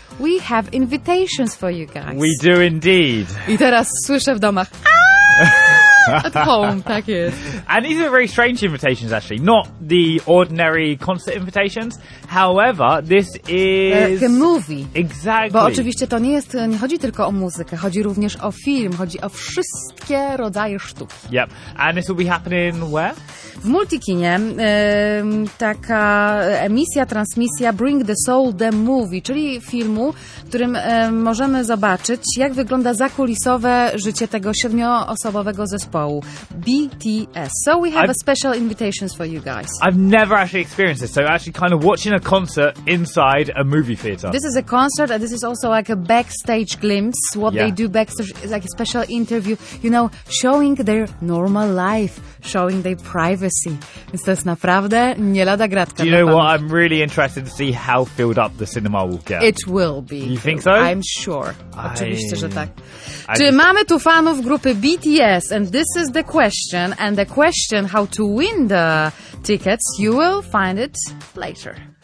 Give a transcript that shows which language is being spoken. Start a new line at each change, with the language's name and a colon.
English: We have invitations for you guys. We do indeed.
Polish: I teraz słyszę w domach.
English: At home,
Polish: tak jest.
English: And these are very strange invitations, actually. Not the ordinary concert invitations. However, this is... The movie. Exactly.
Polish: Bo oczywiście to nie chodzi tylko o muzykę, chodzi również o film, chodzi o wszystkie rodzaje sztuki.
English: Yep. And this will be happening where?
Polish: W Multikinie. Taka emisja, transmisja Bring the Soul, the Movie, czyli filmu, w którym możemy zobaczyć, jak wygląda zakulisowe życie tego 7-osobowego zespołu.
English: BTS. So we have a special invitation for you guys. I've never actually experienced this, so actually kind of watching a concert inside a movie theater. This is a concert and this is also like a backstage glimpse, what they do backstage, like a special interview, you know, showing their normal life, showing their privacy.
Polish: Więc to jest naprawdę nie lada gratka.
English: Do you know what? I'm really interested to see how filled up the cinema will get. It will be. You think so? I'm sure.
Polish: Oczywiście, że tak. Czy mamy tu fanów grupy BTS?
English: And this is the question, and the question how to win the tickets, you will find it later.